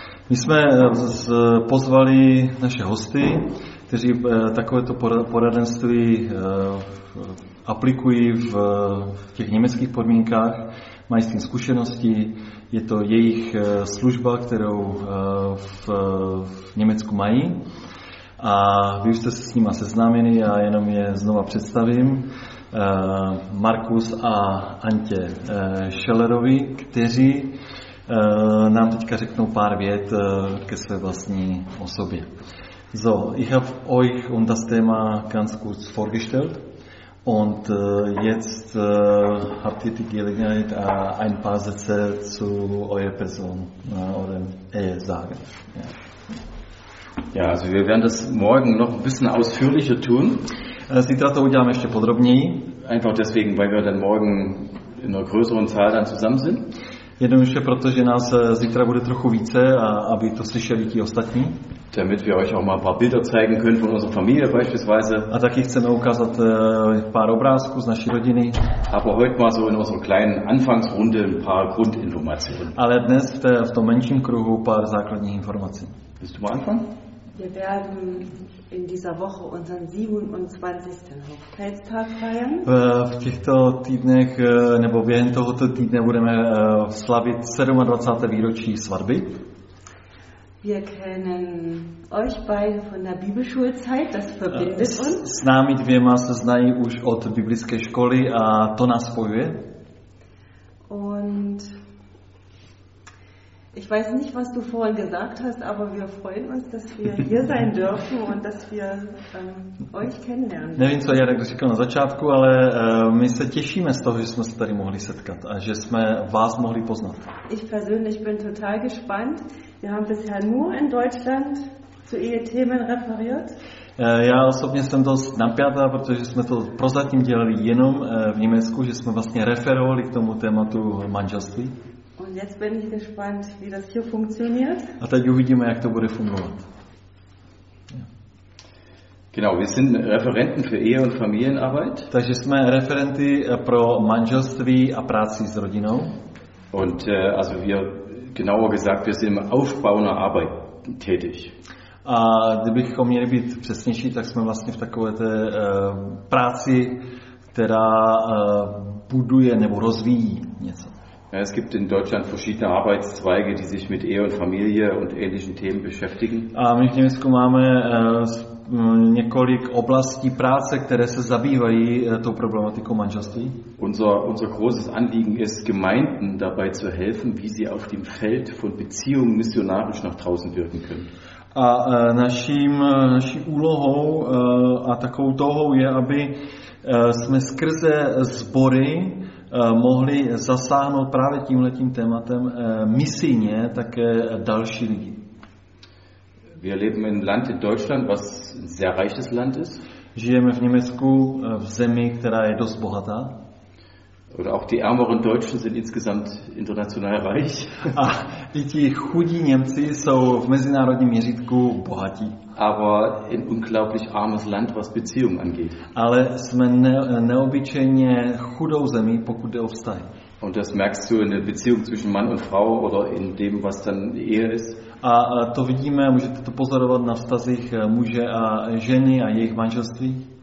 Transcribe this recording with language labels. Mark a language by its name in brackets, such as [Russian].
[Czech] My jsme pozvali naše hosty, kteří takovéto poradenství aplikují v těch německých podmínkách, mají s tím zkušenosti, je to jejich služba, kterou v Německu mají. A vy jste se s nima seznámili, já jenom je znova představím. Markus a Antě Schellerovi, kteří nám teďka řeknou pár vět ke své vlastní osobě. [German] So, ich habe euch um das Thema ganz kurz vorgestellt und jetzt habt ihr die Gelegenheit ein paar Sätze zu eurer Person oder Ehe sagen. Ja, also wir werden das morgen noch ein bisschen ausführlicher tun. [Czech] Zítra to uděláme ještě podrobněji. [German] Einfach deswegen, weil wir dann morgen in einer größeren Zahl dann zusammen sind. [Czech] Jednoduše proto, že nás zítra bude trochu více a aby to slyšeli ti ostatní. [German] Damit wir euch auch mal ein paar Bilder zeigen können von unserer Familie beispielsweise. [Czech] A taky chceme ukázat pár obrázků z naší rodiny. [German] Aber heute mal so in unserer kleinen Anfangsrunde ein paar Grundinformationen. [Czech] Ale dnes v tom menším kruhu pár základních informací. [German] Willst du mal anfangen? Wir werden in dieser Woche unseren 27. Hochzeitstag feiern. [Czech] V těchto týdnech nebo během tohoto týdne budeme slavit 27. výročí svatby. [German] Wir kennen euch beide von der Bibelschulzeit, das verbindet uns. [Czech] S námi dvěma se znají už od biblické školy a to nás spojuje. [German] Und ich weiß nicht, was du vorhin gesagt hast, aber wir freuen uns, dass wir hier sein dürfen und dass wir euch kennenlernen. [Czech] Nevím, co Jarek říkal na začátku, ale my se těšíme z toho, že jsme se tady mohli setkat a že jsme vás mohli poznat. [German] Ich persönlich bin total gespannt. Wir haben bisher nur in Deutschland zu Ehe-Themen referiert. [Czech] Já osobně jsem dost napjatá, protože jsme to prozatím dělali jenom v Německu, že jsme vlastně referovali k tomu tématu manželství. [German] Und jetzt bin ich gespannt, wie das hier funktioniert. [Czech] A teď uvidíme, jak to bude fungovat. [German] Genau, wir sind Referenten für Ehe- und Familienarbeit. [Czech] Takže jsme referenty pro manželství a práci s rodinou. [German] Und also wir, genauer gesagt, wir sind im Aufbau einer Arbeit tätig. [Czech] A kdybychom měli být přesnější, tak jsme vlastně v takové té práci, která buduje nebo rozvíjí něco. [German] Es gibt in Deutschland verschiedene Arbeitszweige, die sich mit Ehe und Familie und ähnlichen Themen beschäftigen. [Czech] A my v Německu máme několik oblastí práce, které se zabývají tou problematikou manželství. [German] Unser großes Anliegen ist, Gemeinden dabei zu helfen, wie sie auf dem Feld von Beziehungen missionarisch nach draußen wirken können. [Czech] A naší úlohou a takovou touhou je, aby jsme skrze sbory mohli zasáhnout právě tímhletím tématem misijně také další lidi. [German] Wir leben in Land in Deutschland, was ein sehr reiches Land ist. [Czech] Žijeme v Německu v zemi, která je dost bohatá. [German] Oder auch die ärmeren Deutschen sind insgesamt international reich. [Czech] A i ti chudí Němci jsou v mezinárodním měřítku bohatí. [German] Aber ein unglaublich armes Land, was Beziehungen angeht. [Czech] Ale jsme neobyčejně chudou zemí, pokud jde o vztahy. [German] Und das merkst du in der Beziehung zwischen Mann und Frau oder in dem, was dann Ehe ist. [Czech] A to vidíme, můžete to pozorovat na vztazích muže a ženy a jejich manželství.